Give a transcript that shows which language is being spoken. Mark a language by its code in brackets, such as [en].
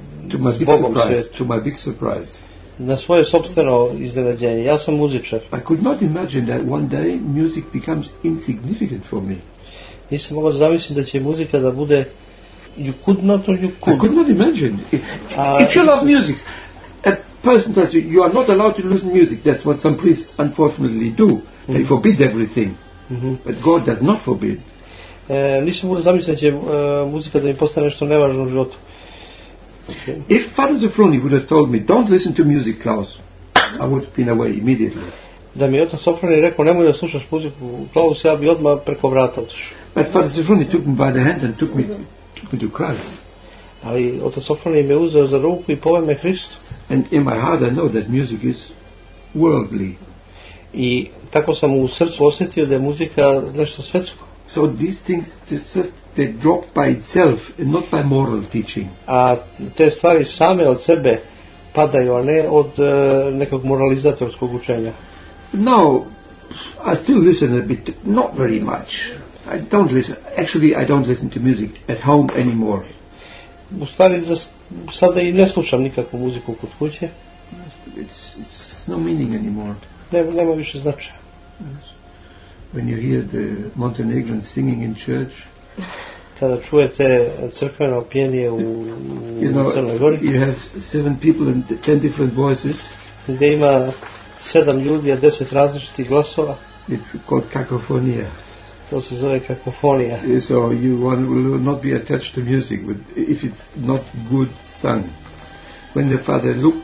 [en] to my big surprise, to my big surprise. [sr] Na svoje sopstveno iznenađenje, ja sam muzičar. [en] I could not imagine that one day music becomes insignificant for me. [sr] Nisam mogao zamisliti da će muzika da bude [en] you could not or you could. I could not imagine. If you love music, a person tells you, you are not allowed to listen to music. That's what some priests unfortunately do. They forbid everything. Mm-hmm. But God does not forbid. [sr] Nisam mogao zamisliti da će muzika da mi postane nešto nevažno u životu. [en] Okay. If Father Zofroni would have told me, don't listen to music, Klaus, I would have been away immediately. [sr] Da mi je otac Sofroni rekao, nemoj da slušaš muziku, Klaus, ja bi odmah preko vrata otišao. [en] But Father Zofroni took me by the hand and took me to Christ. [sr] Ali otac Sofroni me uzeo za ruku i poveo me Hristu. [en] And in my heart I know that music is worldly. [sr] I tako sam u srcu osjetio da je muzika nešto svetsko. [en] So these things just they drop by itself and not by moral teaching. [sr] A te stvari same od sebe padaju, a ne od nekog moralizatorskog učenja. [en] No, I still listen a bit, not very much. I don't listen. Actually, I don't listen to music at home anymore. [sr] U stvari sada i ne slušam nikakvu muziku kod kuće. [en] It's no meaning anymore. [sr] Nema više značaja. [en] When you hear the Montenegrin singing in church, [sr] kada čujete crkveno pjenje u Crnoj Gori, [en] you have 7 people and 10 different voices. [sr] Gde ima 7 ljudi a 10 različitih glasova. [en] It's called cacophonia. [sr] To se zove kakofonija. [en] So you will not be attached to music with, if it's not good sung. When the father